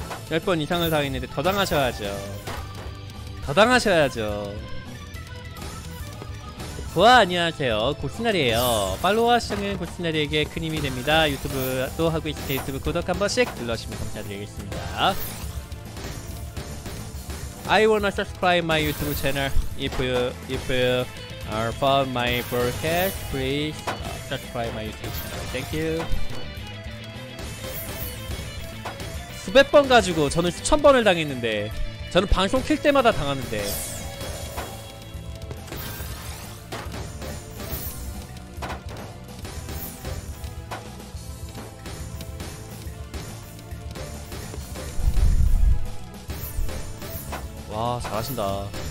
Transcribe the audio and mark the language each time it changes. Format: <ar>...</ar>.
<ko>10번 이상을 당했는데 더 당하셔야죠. 더 당하셔야죠. 고아 안녕하세요. 고스나리에요. 팔로워 하시는 고스나리에게 큰 힘이 됩니다. 유튜브도 하고 있으니 유튜브 구독 한 번씩 눌러주시면 감사드리겠습니다.</ko> <en>I wanna subscribe my YouTube channel. If you are for my broadcast, please subscribe my YouTube channel. Thank you.</en> <ko>수백 번 가지고 저는 수천 번을 당했는데 저는 방송 킬 때마다 당하는데 잘하신다.</ko>